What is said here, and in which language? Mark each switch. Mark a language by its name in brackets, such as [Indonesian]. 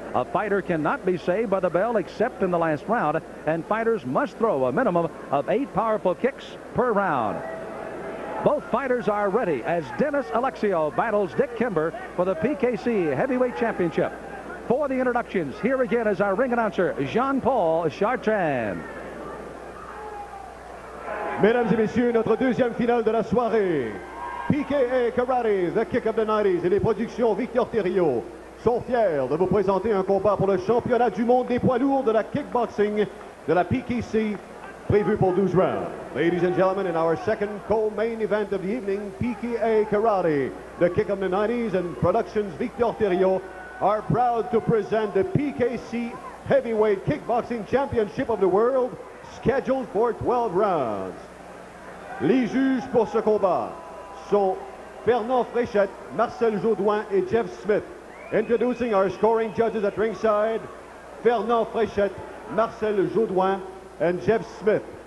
[English] A fighter cannot be saved by the bell except in the last round, and fighters must throw a minimum of eight powerful kicks per round. Both fighters are ready as Dennis Alexio battles Dick Kimber for the PKC Heavyweight Championship. For the introductions, here again is our ring announcer, Jean-Paul Chartrand. [French] Mesdames et messieurs, notre deuxième finale de la soirée. PKA Karate, the kick of the 90s et les productions Victor Thériault sont fiers de vous présenter un combat pour le championnat du monde des poids lourds de la kickboxing de la PKC, prévu pour 12 rounds. [English] Ladies and gentlemen, in our second co-main event of the evening, PKA Karate, the kick of the 90s and productions Victor Thériault are proud to present the PKC Heavyweight Kickboxing Championship of the World, scheduled for 12 rounds. [French] Les juges pour ce combat sont Fernand Fréchette, Marcel Jodoin et Jeff Smith. [English] Introducing our scoring judges at ringside, Fernand Fréchette, Marcel Jodoin and Jeff Smith.